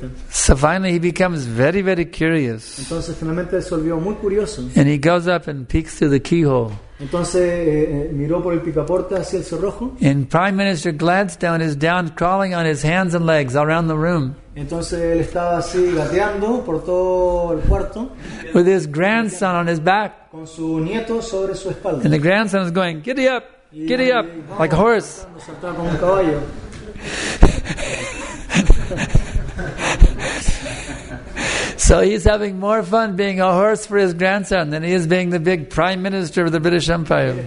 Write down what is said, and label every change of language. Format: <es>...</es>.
<en>So finally he becomes very, very curious. And he goes up and peeks through the keyhole.</en> <es>Miró por el picaporte hacia el cerrojo.</es> <en>And Prime Minister Gladstone is down crawling on his hands and legs around the room.</en> <es>Entonces él estaba así gateando por todo el cuarto.</es> <en>With his grandson on his back.</en> <es>Con su nieto sobre su espalda.</es> <en>And the grandson is going, giddy up, giddy up, like a horse.</en> <es>Saltaba como un caballo.</es> <en>So he's having more fun being a horse for his grandson than he is being the big Prime Minister of the British Empire.</en>